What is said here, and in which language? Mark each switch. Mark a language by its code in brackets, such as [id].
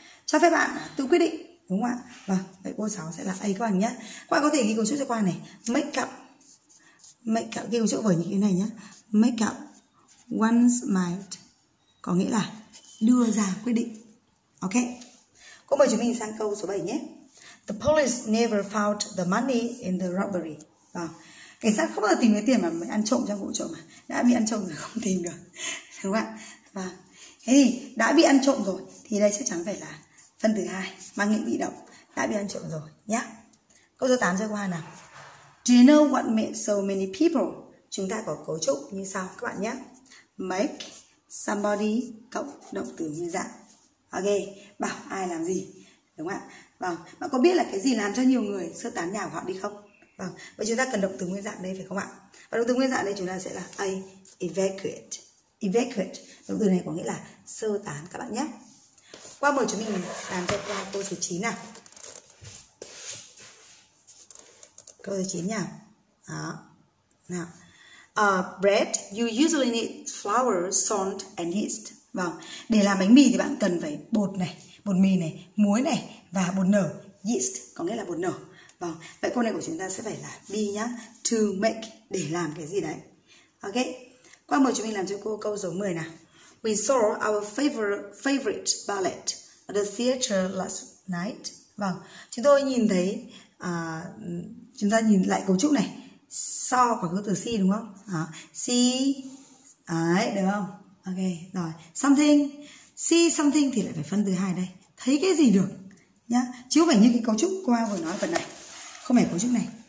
[vi] Cho phép bạn tự quyết định. Đúng không ạ? Vâng, vậy cô 6 sẽ là A các bạn nhé. Các bạn có thể ghi cấu trúc cho qua này. Make up, ghi cấu trúc với những cái này nhé. [en] Make up one's mind, [vi] có nghĩa là đưa ra quyết định. Ok. Cô mời chúng mình sang câu số 7 nhé. [en] The police never found the money in the robbery. [vi] Vâng. Cảnh sát không bao giờ tìm cái tiền mà mới ăn trộm trong vụ trộm mà. Đã bị ăn trộm rồi không tìm được. Đúng không ạ? Vâng. Thế thì đã bị ăn trộm rồi thì đây chắc chắn phải là phần thứ hai, mang nghĩa bị động, đã bị ăn trộm rồi nhé. Câu số 8 cho qua nào. [en] Do you know what made so many people? [vi] Chúng ta có cấu trúc như sau các bạn nhé. [en] Make somebody [vi] cộng động từ nguyên dạng. Ok, bảo ai làm gì. Đúng không ạ? Vâng, bạn có biết là cái gì làm cho nhiều người sơ tán nhà của họ đi không? Vâng, vậy chúng ta cần động từ nguyên dạng đây phải không ạ? Và động từ nguyên dạng đây chúng ta sẽ là A, evacuate. Evacuate, động từ này có nghĩa là sơ tán các bạn nhé. Qua mời chúng mình làm cho qua câu số 9 nào. Câu số 9 nhỉ? Đó. Nào. [en] Bread, you usually need flour, salt and yeast. [vi] Vâng. Để làm bánh mì thì bạn cần phải bột này, bột mì này, muối này và bột nở. Yeast có nghĩa là bột nở. Vâng. Vậy câu này của chúng ta sẽ phải là B nhá. [en] To make, [vi] để làm cái gì đấy. Ok. Qua mời chúng mình làm cho cô câu số 10 nào. [en] We saw our favorite ballet at the theater last night. [vi] Vâng, chúng tôi nhìn thấy, chúng ta nhìn lại cấu trúc này. Saw có cái từ see đúng không? See, Đấy, được không? Ok, rồi. Something, see something thì lại phải phân từ hai đây. Thấy cái gì được nhá, chứ không phải như cái cấu trúc qua vừa nói phần này, không phải cấu trúc này.